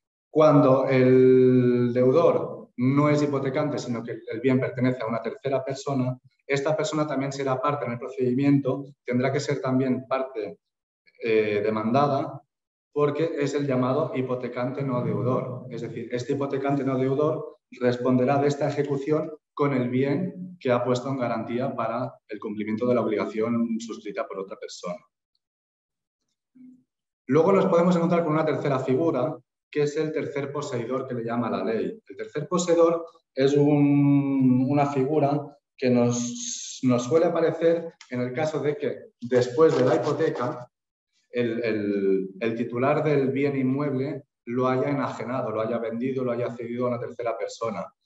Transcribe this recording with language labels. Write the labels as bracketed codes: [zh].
[es] Cuando el deudor no es hipotecante, sino que el bien pertenece a una tercera persona, esta persona también será parte en el procedimiento, tendrá que ser también parte demandada, porque es el llamado hipotecante no deudor. Es decir, este hipotecante no deudor responderá de esta ejecución con el bien que ha puesto en garantía para el cumplimiento de la obligación suscrita por otra persona. Luego nos podemos encontrar con una tercera figura, [ca] que és el tercer posseïdor que li llama la llei. El tercer posseïdor és una figura que [es] nos suele aparecer en el caso de que después de la hipoteca el titular del bien inmueble lo haya enajenado, lo haya vendido, lo haya cedido a una tercera persona.